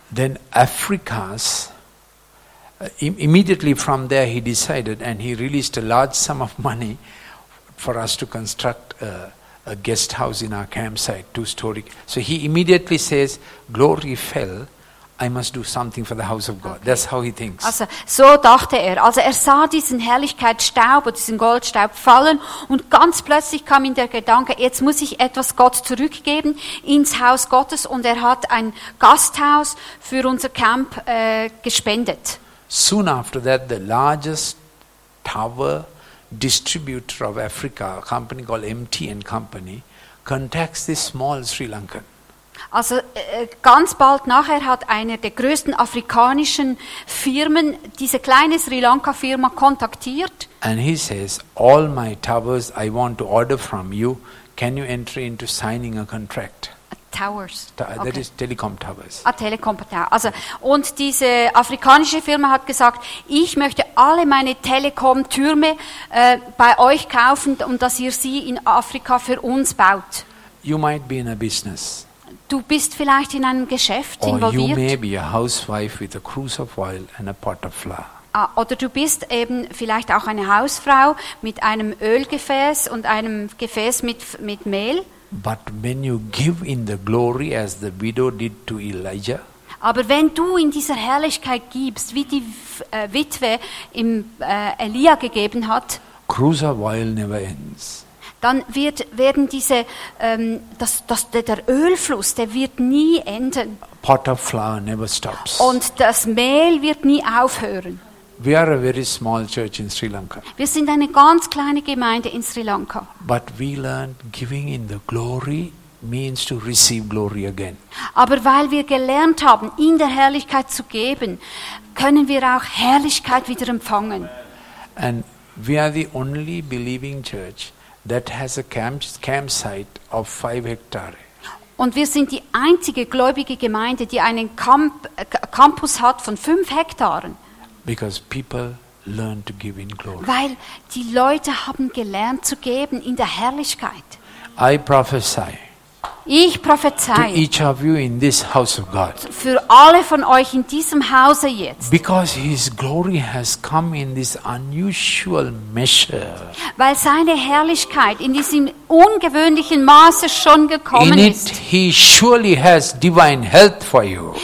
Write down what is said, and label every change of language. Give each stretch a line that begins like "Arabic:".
English: Then Africa's immediately from there he decided and he released a large sum of money for us to construct a guest house in our campsite, 2-story. So he immediately says, glory fell, I must do something for the house of God. Okay. That's how he thinks.
German: Also, so dachte er. Also er sah diesen Herrlichkeitsstaub oder diesen Goldstaub fallen und ganz plötzlich kam ihm der Gedanke, jetzt muss ich etwas Gott zurückgeben ins Haus Gottes und er hat ein Gasthaus für unser Camp gespendet.
English: Soon after that, the largest tower distributor of Africa, a company called MTN Company, contacts this small Sri Lankan.
German: Also ganz bald nachher hat eine der größten afrikanischen Firmen diese kleine Sri Lanka Firma kontaktiert.
English: And he says, all my towers I want to order from you. Can you enter into signing a contract? Towers. Okay. That is telecom towers. A telecom tower.
German: Also und diese afrikanische Firma hat gesagt, ich möchte alle meine Telekom Türme bei euch kaufen und dass ihr sie in Afrika für uns baut.
English: You might be in a business.
German: Du bist vielleicht in einem Geschäft involviert. Oder du bist eben vielleicht auch eine Hausfrau mit einem Ölgefäß und einem Gefäß mit Mehl.
English: But when you give in the glory as the widow did to Elijah.
German: Aber wenn du in dieser Herrlichkeit gibst, wie die Witwe im Elia gegeben hat.
English: Cruise of oil never ends.
German: Dann wird werden diese der Ölfluss, der wird nie enden.
English: Pot of flour never stops.
German: Und das Mehl wird nie aufhören.
English: We are a very small church in Sri Lanka.
German: Wir sind eine ganz kleine Gemeinde in Sri Lanka.
English: But we learned giving in the glory means to receive glory again.
German: Aber weil wir gelernt haben, in der Herrlichkeit zu geben, können wir auch Herrlichkeit wieder empfangen.
English: And we are the only believing church that has a campsite of 5 hectares.
German: Und wir sind die einzige gläubige Gemeinde, die einen Campus hat von 5 Hektaren.
English: Because people learn to give in glory.
German: Weil die Leute haben gelernt zu geben in der Herrlichkeit.
English: I prophesy.
German: Ich prophezei.
English: To each of you in this house of God.
German: Für alle von euch in diesem Hause jetzt.
English: Because his glory has come in this unusual measure.
German: Weil seine Herrlichkeit in diesem ungewöhnlichen Maße schon gekommen
English: in it,
German: ist.
English: He surely has divine health for you.